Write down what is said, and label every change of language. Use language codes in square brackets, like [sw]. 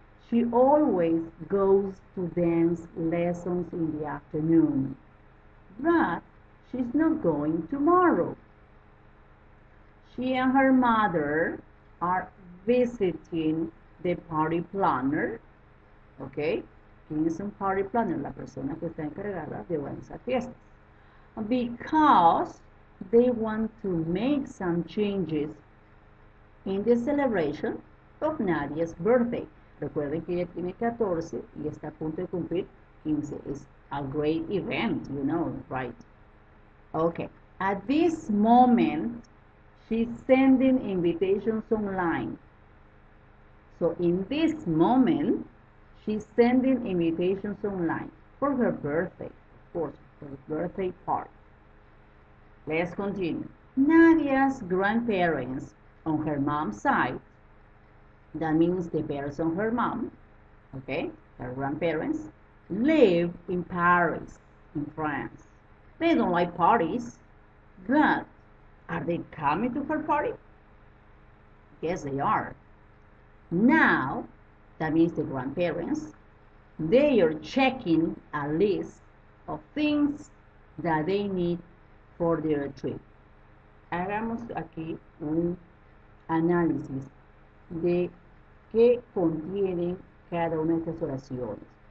[en] She always goes to dance lessons in the afternoon. But she's not going tomorrow. She and her mother are visiting the party planner. [es] Okay? ¿Quién es un party planner? La persona que está encargada de organizar fiestas. [en] Because they want to make some changes in the celebration of Nadia's birthday. [es] Recuerden que ella tiene 14 y está a punto de cumplir 15. [en] It's a great event, you know, right? Okay. At this moment, she's sending invitations online. So in this moment, she's sending invitations online for her birthday, of course, for her birthday party. Let's continue. Nadia's grandparents on her mom's side, that means the parents on her mom, okay, her grandparents, live in Paris, in France. They don't like parties, but are they coming to her party? Yes, they are. Now, that means the grandparents, they are checking a list of things that they need for their trip. [es] Hagamos aquí un análisis de qué contienen cada una de estas oraciones.